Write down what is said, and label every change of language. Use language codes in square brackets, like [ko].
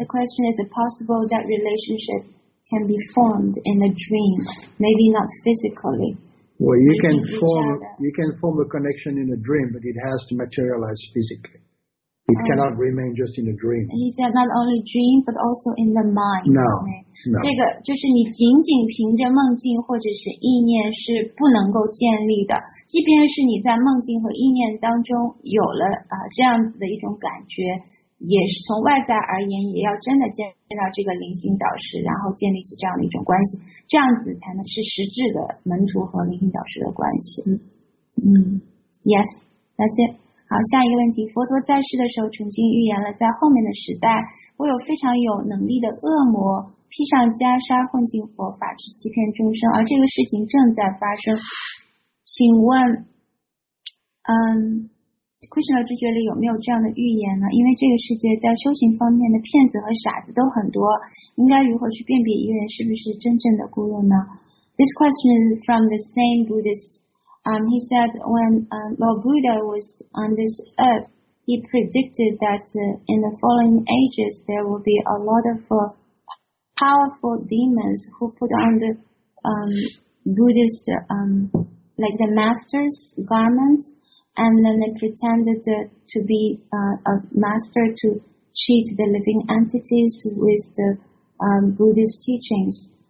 [en] The question is it possible that relationship can be formed in a dream, maybe not physically? Well, you can form a connection in a dream, but it has to materialize physically. It cannot remain just in a dream. He said not only dream, but also in the mind. No, no. [zh] 这个就是你仅仅凭着梦境或者是意念是不能够建立的。即便是你在梦境和意念当中有了这样子的一种感觉，也是从外在而言，也要真的见到这个灵性导师，然后建立起这样的一种关系，这样子才能是实质的门徒和灵性导师的关系。 [en] Yes, that's it. [zh] 好，下一个问题，佛陀在世的时候曾经预言了在后面的时代会有非常有能力的恶魔披上袈裟混进佛法去欺骗众生，而这个事情正在发生。请问Krishna 知觉里有没有这样的预言呢？因为这个世界在修行方面的骗子和傻子都很多，应该如何去辨别一个人是不是真正的孤独呢？ [en] This question is from the same BuddhistHe said when Lord Buddha was on this earth, he predicted that in the following ages, there will be a lot of powerful demons who put on the Buddhist, like the master's garments, and then they pretended to be a master to cheat the living entities with the Buddhist teachings.